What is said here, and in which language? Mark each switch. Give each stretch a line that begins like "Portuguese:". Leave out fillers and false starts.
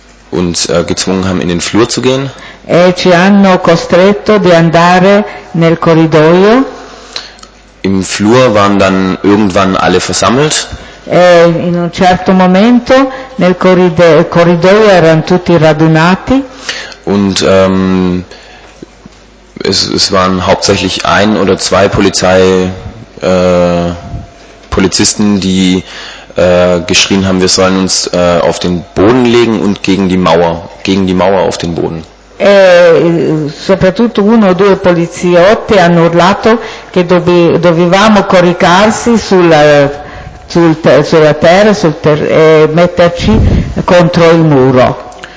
German: und gezwungen haben, in den Flur zu gehen.
Italian: E ci hanno costretto di andare nel corridoio.
German: Im Flur waren dann irgendwann alle versammelt.
Italian: E in un certo momento nel corridoio erano tutti radunati.
German: Und es waren hauptsächlich ein oder zwei Polizisten, die geschrien haben, wir sollen uns auf den Boden legen und gegen die Mauer auf den Boden.
Italian: E soprattutto uno o due poliziotti hanno urlato che dovevamo coricarsi sulla terra, e metterci contro il muro.